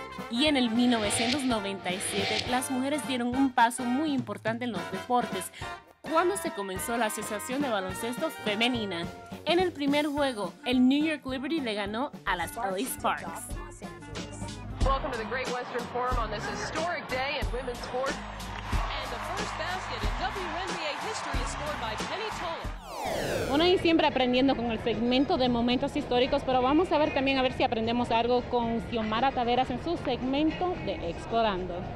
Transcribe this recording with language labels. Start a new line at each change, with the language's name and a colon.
Spanish: Y en el 1997, las mujeres dieron un paso muy importante en los deportes cuando se comenzó la Asociación de Baloncesto Femenina. En el primer juego, el New York Liberty le ganó a las LA Sparks.
English: Welcome to the Great Western Forum on this historic day in women's sport. And the first basket in WNBA history is scored by Penny Toller.
Spanish: Bueno, y siempre aprendiendo con el segmento de momentos históricos, pero vamos a ver también a ver si aprendemos algo con Xiomara Taveras en su segmento de Explorando.